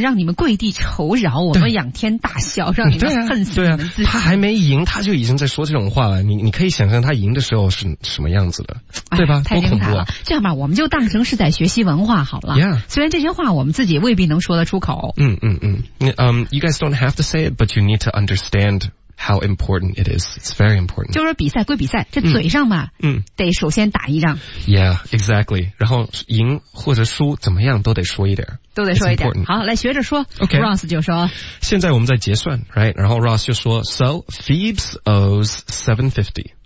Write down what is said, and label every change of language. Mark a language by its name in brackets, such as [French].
[Chinese] 让你们跪地求饶我们仰天大笑让你们恨死你们自己对、啊、他还没赢他就已经在说这种话了你可以想象他赢的时候是什么样子的对吧太精彩了这样吧我们就当成是在学习文化好了、 [English] yeah. [Chinese] 虽然这些话我们自己未必能说得出口 [English] You guys don't have to say it but you need to understandHow important it is. It's very important. [Chinese] 就是比赛归比赛这嘴上吧得首先打一仗。 [English] Yeah, exactly. [Chinese] 然后赢或者输怎么样都得说一点。都得说一点。好来学着说。 [English] Okay. [Chinese] Ross 就说。现在我们在结算 right? 然后 Ross 就说 [English] So, Phoebe owes $7.50.